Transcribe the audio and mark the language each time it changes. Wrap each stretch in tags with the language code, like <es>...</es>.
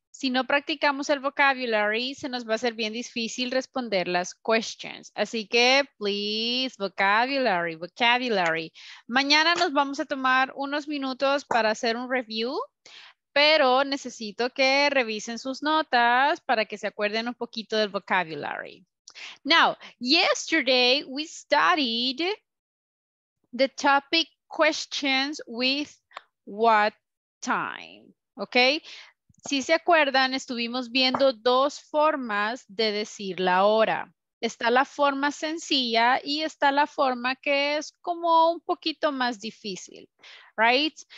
<es>Si no practicamos el vocabulary, se nos va a ser bien difícil responder las questions. Así que,</es> <en>please, vocabulary, vocabulary.</en> <es>Mañana nos vamos a tomar unos minutos para hacer un review. Pero necesito que revisen sus notas para que se acuerden un poquito del vocabulary.</es> <en>Now, yesterday we studied the topic questions with what time, ¿ok?</en> <es>Si se acuerdan, estuvimos viendo dos formas de decir la hora. Está la forma sencilla y está la forma que es como un poquito más difícil,</es> <en>right?</en>